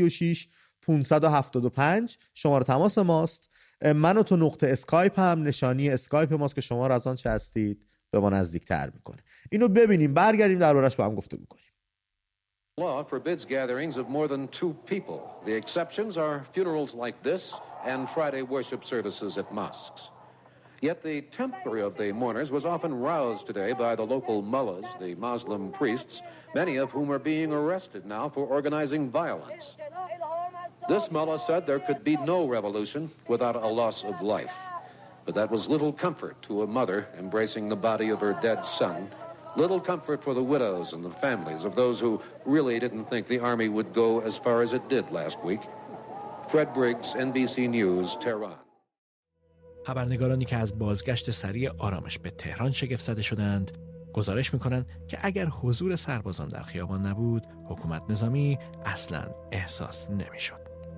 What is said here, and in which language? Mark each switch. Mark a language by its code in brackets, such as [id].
[fa] 2044 1143 036 575 شماره تماس ماست. منو تو نقطه اسکایپ هم نشانی اسکایپ ماست که شما را از آن چه هستید به ما نزدیک‌تر می‌کنه. اینو ببینیم، برگردیم دربارش با هم گفتگو کنیم. [en] Law forbids gatherings of more than 2 people. The exceptions are funerals like this and Friday worship services at mosques. Yet the temper of the mourners was often roused today by the local mullahs, the Muslim priests, many of whom are being arrested now for organizing violence. This mullah said there could be no revolution without a loss of life. But that was little comfort to a mother embracing the body of her dead son. Little comfort for the widows and the families of those who really didn't think the army would go as far as it did last week. Fred Briggs, NBC News, Tehran. [fa] خبرنگارانی که از بازگشت سریع آرامش به تهران شگفت زده شدند، گزارش می‌کنند که اگر حضور سربازان در خیابان نبود، حکومت نظامی اصلاً احساس نمی‌شد.